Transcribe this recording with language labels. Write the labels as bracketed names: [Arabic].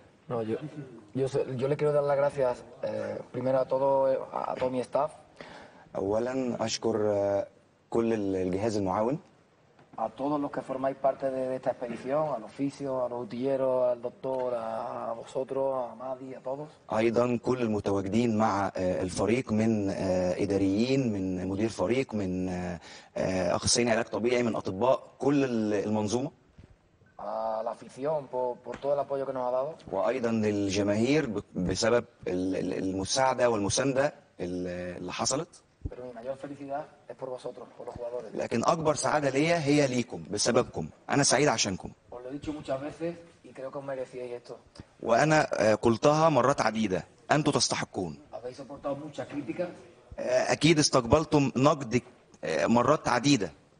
[Spanish] No, yo le quiero dar las gracias primero a todo a todo mi staff. [Arabic] اولا اشكر كل الجهاز المعاون. [Spanish] A todos los que formáis parte de esta expedición, al oficio, a los utilleros, al doctor, a vosotros, a Madi, a todos. [Arabic] ايضا كل المتواجدين مع الفريق من اداريين من مدير فريق من اخصائيين علاج طبيعي من اطباء كل المنظومه. [Spanish] A la afición por todo el apoyo que nos ha dado. [Arabic] وايضا للجماهير بسبب المساعده والمسانده اللي حصلت. [Spanish] Pero mi mayor felicidad es por vosotros, por los jugadores. [Arabic] لكن اكبر سعاده ليا هي ليكم بسببكم. انا سعيد عشانكم. [Spanish] Os lo he dicho muchas veces y creo que os merecíais esto. [Arabic] وانا قلتها مرات عديده. انتم تستحقون. [Spanish] Habéis soportado muchas críticas. [Arabic] اكيد استقبلتم نقد مرات عديده.